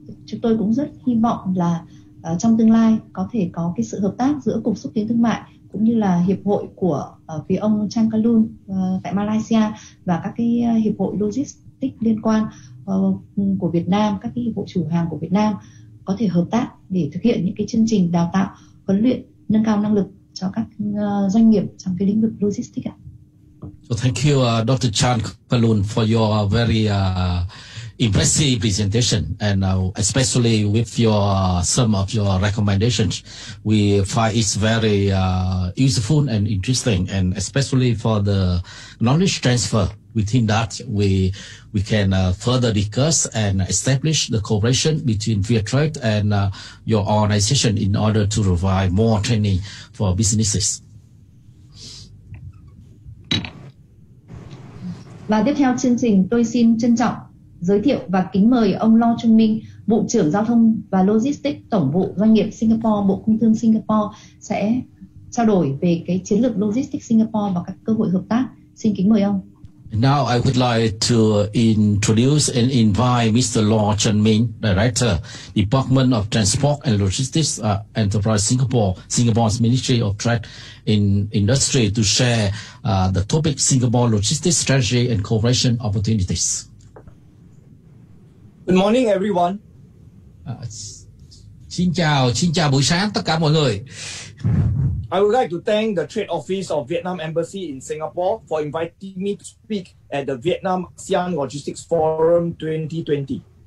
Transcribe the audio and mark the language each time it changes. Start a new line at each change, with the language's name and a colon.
Vietnamese: Chúng tôi cũng rất hy vọng là trong tương lai có thể có cái sự hợp tác giữa Cục Xúc Tiến Thương mại cũng như là hiệp hội của phía ông Chang Kalun tại Malaysia và các cái hiệp hội logistics liên quan của Việt Nam, các cái hiệp hội chủ hàng của Việt Nam có thể hợp tác để thực hiện những cái chương trình đào tạo, huấn luyện, nâng cao năng lực cho các doanh nghiệp trong cái lĩnh vực logistics ạ.
English: So thank you Dr. Chang Kalun for your very impressive presentation, and especially with your some of your recommendations, we find it's very useful and interesting, and especially for the knowledge transfer. Within that, we can further discuss and establish the cooperation between Fairtrade and your organization in order to provide more training for businesses.
Vietnamese: Và tiếp theo chương trình, tôi xin trân trọng giới thiệu và kính mời ông Lo Trung Minh, Bộ trưởng Giao thông và Logistics, Tổng vụ Doanh nghiệp Singapore, Bộ Công Thương Singapore sẽ trao đổi về cái chiến lược Logistics Singapore và các cơ hội hợp tác. Xin kính mời ông.
English: Now I would like to introduce and invite Mr. Lo Chun Ming, Director, Department of Transport and Logistics, Enterprise Singapore, Singapore's Ministry of Trade in Industry, to share the topic Singapore Logistics Strategy and Cooperation Opportunities. Good morning, everyone.
Vietnamese: Xin chào buổi sáng tất cả mọi người.
English: I would like to thank the Trade Office of Vietnam Embassy in Singapore for inviting me to speak at the Vietnam ASEAN Logistics Forum 2020.